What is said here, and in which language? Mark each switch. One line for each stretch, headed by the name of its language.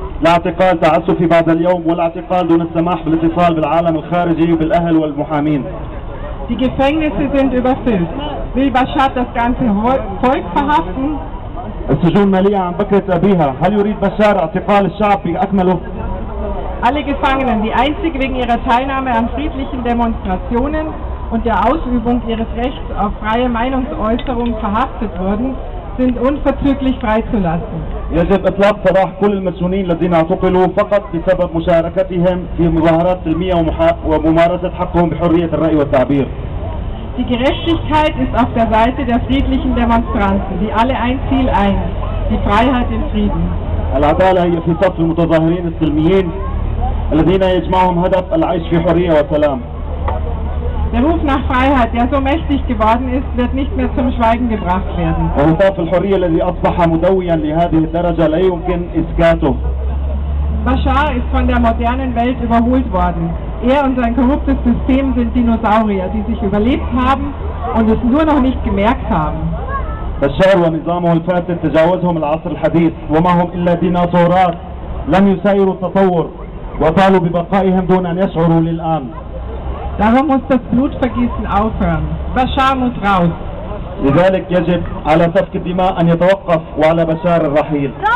Arabic: الاعتقال تعسفي بعد اليوم والاعتقال دون السماح بالاتصال بالعالم الخارجي وبالأهل والمحامين.
German: Die Gefängnisse sind überfüllt. Will Bashar das ganze Volk verhaften?
Arabic: السجون مليئة عن بكرة أبيها. هل يريد بشار اعتقال الشعب بأكمله؟
German: Alle Gefangenen, die einzig wegen ihrer Teilnahme an friedlichen Demonstrationen und der Ausübung ihres Rechts auf freie Meinungsäußerung verhaftet wurden, sind unverzüglich freizulassen.
Arabic: يجب إطلاق سراح كل المسجونين الذين اعتقلوا فقط بسبب مشاركتهم في مظاهرات سلمية وممارسة حقهم بحرية الرأي والتعبير.
German: Die Gerechtigkeit ist auf der Seite der friedlichen Demonstranten, die alle ein Ziel ein, die Freiheit im Frieden.
Arabic: العدالة هي في صف المتظاهرين السلميين الذين يجمعهم هدف العيش في حرية وسلام.
German: Der Ruf nach Freiheit, der so mächtig geworden ist, wird nicht mehr zum Schweigen gebracht werden.
Arabic: وهتاف الحرية الذي أصبح مدويا لهذه الدرجة لا يمكن إسكاته.
German: Bashar ist von der modernen Welt überholt worden. Er und sein korruptes System sind Dinosaurier, die sich überlebt haben und es nur noch nicht gemerkt haben.
Arabic: Bashar ونظامه الفاسد تجاوزهم العصر الحديث وما هم إلا ديناصورات لم يسيروا التطور وطالوا ببقائهم دون أن يشعروا للآن.
German: Darum muss das Blutvergießen aufhören. Bashar muss raus.
Arabic: لذلك يجب على سفك الدماء أن يتوقف وعلى بشار الرحيل.